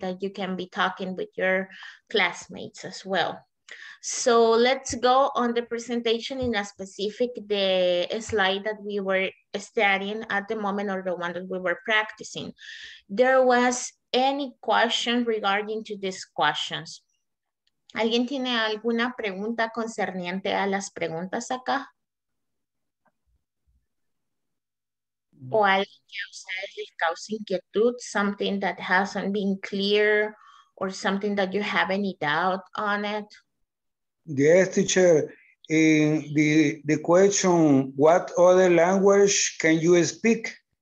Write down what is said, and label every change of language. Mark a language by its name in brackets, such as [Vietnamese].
[English] That you can be talking with your classmates as well. So let's go on the presentation in a specific, the slide that we were studying at the moment or the one that we were practicing. There was any question regarding to these questions. [Spanish] ¿Alguien tiene alguna pregunta concerniente a las preguntas acá? O alguien que ustedes les causa inquietud, [English] something that hasn't been clear, or something that you have any doubt on it. Yes, teacher. In the question, what other language can you speak?